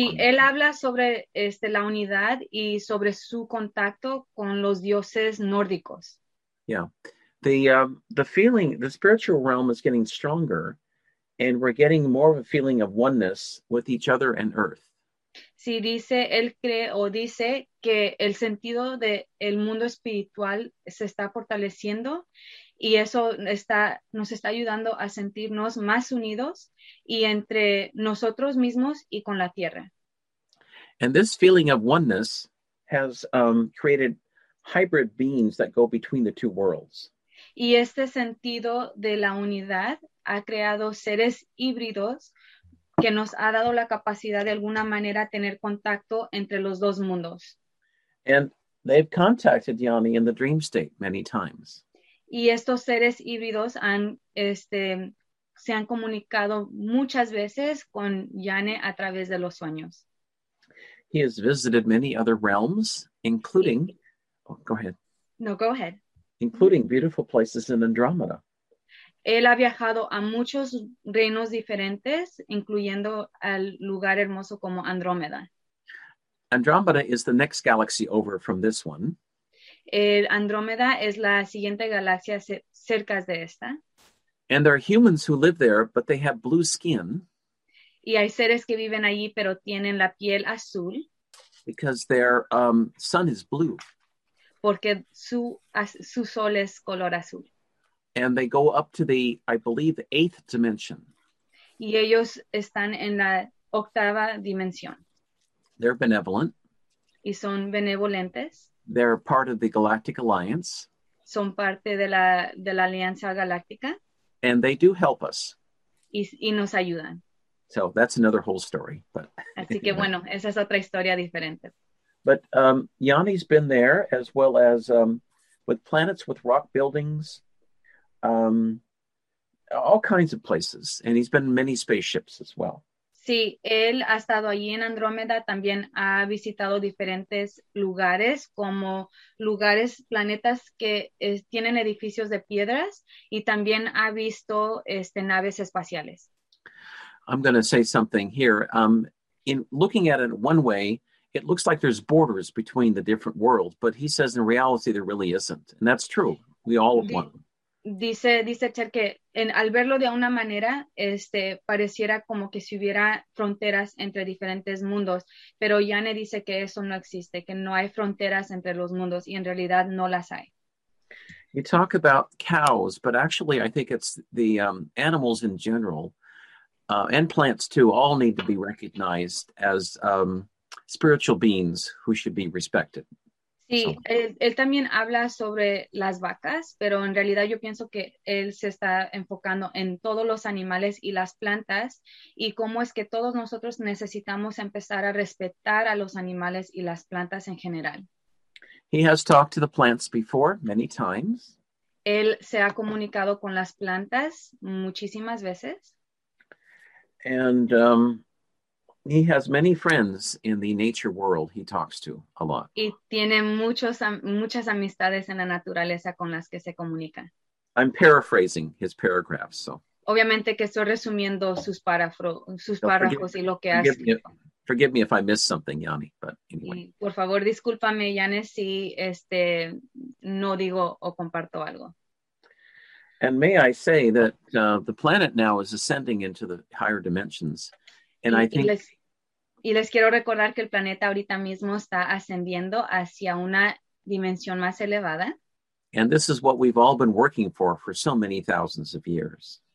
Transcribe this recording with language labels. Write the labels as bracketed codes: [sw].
[es] Sí, él habla sobre la unidad y sobre su contacto con los dioses nórdicos. [en] Yeah. The feeling, the spiritual realm is getting stronger and we're getting more of a feeling of oneness with each other and earth. [es] Sí, dice, él cree o dice que el sentido de el mundo espiritual se está fortaleciendo y eso nos está ayudando a sentirnos más unidos y entre nosotros mismos y con la tierra. [en] And this feeling of oneness has created hybrid beings that go between the two worlds. [es] Y este sentido de la unidad ha creado seres híbridos que nos ha dado la capacidad de alguna manera tener contacto entre los dos mundos. [en] And they've contacted Yanni in the dream state many times. [es] Y estos seres híbridos se han comunicado muchas veces con Janne a través de los sueños. [en] He has visited many other realms, including... Oh, go ahead. No, go ahead. Including beautiful places in Andromeda. [es] Él ha viajado a muchos reinos diferentes, incluyendo al lugar hermoso como Andrómeda. [en] Andromeda is the next galaxy over from this one. [es] Andrómeda es la siguiente galaxia cerca de esta. [en] And there are humans who live there, but they have blue skin. [es] Y hay seres que viven allí, pero tienen la piel azul. [en] Because their sun is blue. [es] Porque su sol es color azul. [en] And they go up to the, I believe, eighth dimension. [es] Y ellos están en la octava dimensión. [en] They're benevolent. [es] Y son benevolentes. [en] They're part of the Galactic Alliance. [es] Son parte de la Alianza Galáctica. [en] And they do help us. [es] Y nos ayudan. [en] So that's another whole story. But [es] así que bueno, esa es otra historia diferente. [en] But Yanni's been there as well as with planets, with rock buildings, all kinds of places. And he's been in many spaceships as well. [es] Sí, él ha estado allí en Andrómeda, también ha visitado diferentes lugares, como lugares, planetas que tienen edificios de piedras, y también ha visto naves espaciales. [en] I'm going to say something here. In looking at it one way, it looks like there's borders between the different worlds, but he says in reality there really isn't, and that's true. We all have one. [es] Dice Cher que al verlo de una manera, pareciera como que si hubiera fronteras entre diferentes mundos, pero Janne dice que eso no existe, que no hay fronteras entre los mundos, y en realidad no las hay. [en] You talk about cows, but actually I think it's the animals in general, and plants too, all need to be recognized as spiritual beings who should be respected. [es] Sí, él también habla sobre las vacas, pero en realidad yo pienso que él se está enfocando en todos los animales y las plantas y cómo es que todos nosotros necesitamos empezar a respetar a los animales y las plantas en general. [en] He has talked to the plants before many times. [es] Él se ha comunicado con las plantas muchísimas veces. [en] And he has many friends in the nature world he talks to a lot. [es] Y tiene muchas amistades en la naturaleza con las que se comunica. [en] I'm paraphrasing his paragraphs, so. [es] Obviamente que estoy resumiendo sus párrafos y lo que hace. [en] Forgive me if I miss something, Yanni, but anyway. [es] Y por favor, discúlpame, Yanni, si no digo o comparto algo. [en] And may I say that the planet now is ascending into the higher dimensions. And I think, [es] Y les quiero recordar que el planeta ahorita mismo está ascendiendo hacia una dimensión más elevada. [en] And this is what we've all been working for so many thousands of years.